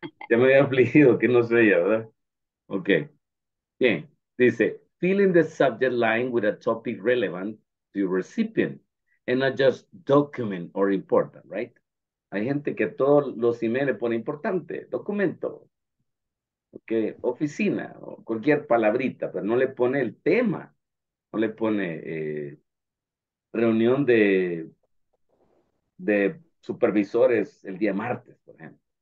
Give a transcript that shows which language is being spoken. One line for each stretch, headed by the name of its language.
Spanish: Ya me había afligido que no se veía, ¿verdad? Ok. Bien. Dice,
English: fill in the subject line with a topic relevant to your recipient. And not just document or important, right?
Spanish: Hay gente que todos los emails pone importante, documento, okay, oficina, o cualquier palabrita, pero no le pone el tema, no le pone reunión de supervisores el día martes, por ejemplo.